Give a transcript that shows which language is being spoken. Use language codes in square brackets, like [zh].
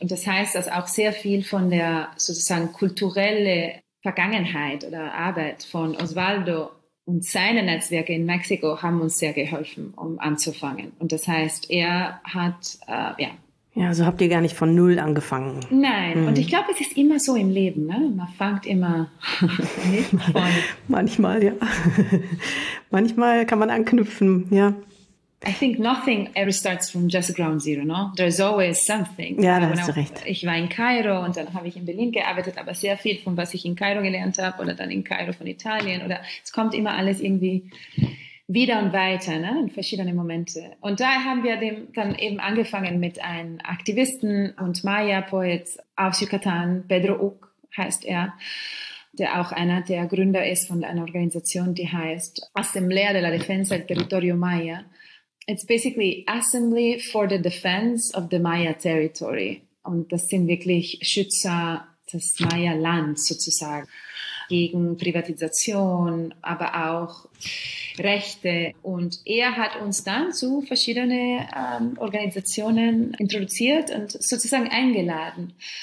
[de] Und das heißt, dass auch sehr viel von der sozusagen kulturellen Vergangenheit oder Arbeit von Osvaldo und seine Netzwerke in Mexiko haben uns sehr geholfen, um anzufangen. Und das heißt, er hat, Ja, so habt ihr gar nicht von null angefangen. Nein, und ich glaube, es ist immer so im Leben, ne? Man fängt immer nicht von. Manchmal, ja. Manchmal kann man anknüpfen, ja. [en] I think nothing ever starts from just ground zero, no? There's always something. [de] Ja, da hast du recht. Ich war in Kairo und dann habe ich in Berlin gearbeitet, aber sehr viel von was ich in Kairo gelernt habe oder dann in Kairo von Italien oder es kommt immer alles irgendwie wieder und weiter, ne? In verschiedenen Momente. Und da haben wir dann eben angefangen mit einem Aktivisten und Maya-Poet aus Yucatan, Pedro Uc heißt er, der auch einer der Gründer ist von einer Organisation, die heißt Assemblea de la Defensa del Territorio Maya. [en] It's basically Assembly for the Defense of the Maya Territory. [de] Und das sind wirklich Schützer des Maya-Lands sozusagen. Gegen Privatisation, aber auch Rechte. Und er hat uns dann zu verschiedenen Organisationen introduziert und sozusagen eingeladen.